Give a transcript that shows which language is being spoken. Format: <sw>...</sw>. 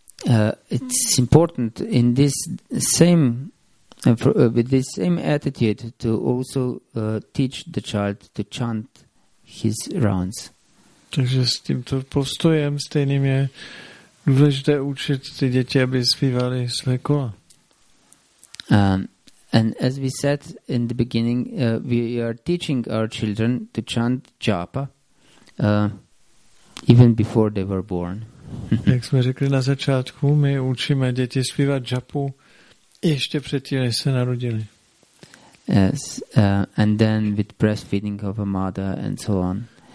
<en>It's important in this same with this same attitude to also teach the child to chant his rounds.</en> <cs>Takže s tímto postojem stejným je důležité učit ty děti, aby zpívali své kola.</cs> <en>And as we said in the beginning, we are teaching our children to chant japa even before they were born.</en> <cs>Jak jsme řekli na začátku, my učíme děti zpívat japu ještě předtím, než se narodili.</cs> <en>Yes, and then with breastfeeding of a mother and so on.</en>